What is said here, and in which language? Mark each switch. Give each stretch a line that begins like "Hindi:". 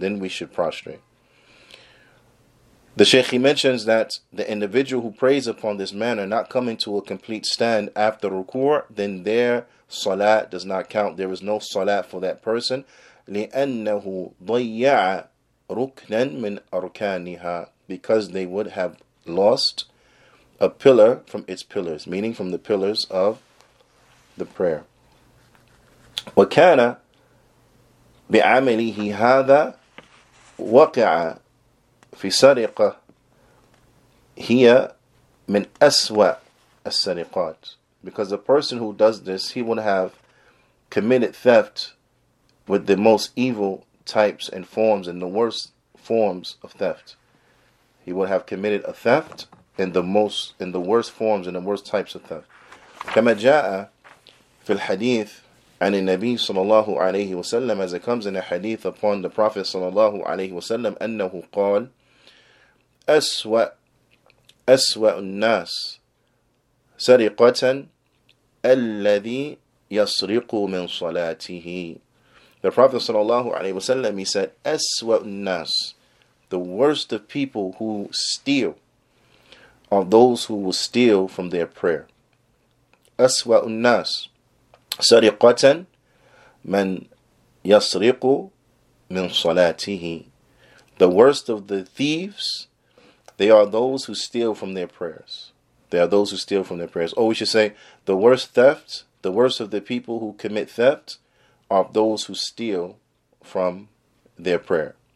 English: Then we should prostrate. The Shaykh, he mentions that the individual who prays upon this manner, not coming to a complete stand after ruku', then their salat does not count. There is no salat for that person.
Arabic: لِأَنَّهُ ضَيَّعَ رُكْنًا مِنْ أَرْكَانِهَا.
English: Because they would have lost a pillar from its pillars, meaning from the pillars of the prayer.
Arabic: وَكَانَ بِعَمَلِهِ هَذَا وَقِعَ في سرقة هي من أسوأ السرقات.
English: Because the person who does this, he would have committed theft with the most evil types and forms and the worst forms of theft. He would have committed a theft in the worst forms and the worst types of theft.
Arabic: كما جاء في الحديث عن النبي صلى الله عليه وسلم,
English: as it comes in a hadith upon the Prophet
Arabic: صلى الله عليه وسلم, أنه قال أسوأ الناس سرقة الذي يسرق من صلاته.
English: The Prophet sallallahu alaihi wasallam, he said,
Arabic: أسوأ الناس,
English: the worst of people who steal, are those who will steal from their prayer.
Arabic: أسوأ الناس سرقة من يسرق من صلاته.
English: The worst of the thieves, they are those who steal from their prayers. They are those who steal from their prayers. Or we should say, the worst theft, the worst of the people who commit theft, are those who steal from their prayer.